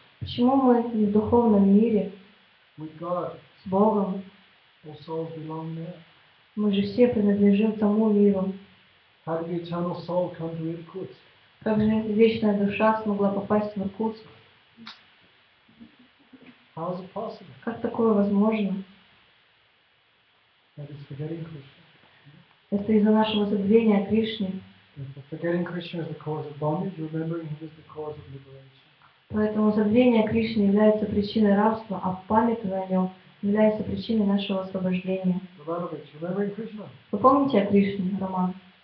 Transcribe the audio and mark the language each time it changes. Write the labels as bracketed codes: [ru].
[ru] Почему мы не в духовном мире? [en] With God. [ru] С Богом. [en] All souls belong there. [ru] Мы же все принадлежим тому миру. [en] How did the eternal soul come to Irkutsk? [ru] Как же вечная душа смогла попасть в Иркутск? [en] How is it possible? [ru] Как такое возможно? [en] That is forgetting Krishna. [ru] Это из-за нашего забвения о Кришне. [en] Forgetting Krishna is the cause of bondage, remembering him is the cause of liberation. [ru] Поэтому забвение Кришны является причиной рабства, а памятование о нем является причиной нашего освобождения. Вы помните о Кришне, Роман?